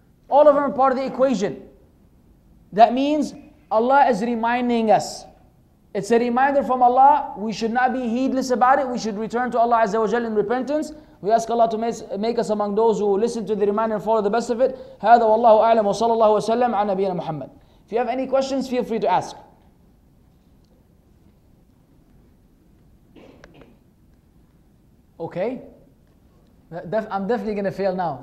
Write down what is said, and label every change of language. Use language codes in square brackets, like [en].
[en] All of them are part of the equation. That means Allah is reminding us. It's a reminder from Allah. We should not be heedless about it. We should return to Allah Azza wa Jalla in repentance. We ask Allah to make us among those who listen to the reminder and follow the best of it. [ar] هذا والله أعلم وصلى الله وسلم على نبينا محمد. [en] If you have any questions, feel free to ask. Okay. I'm definitely going to fail now.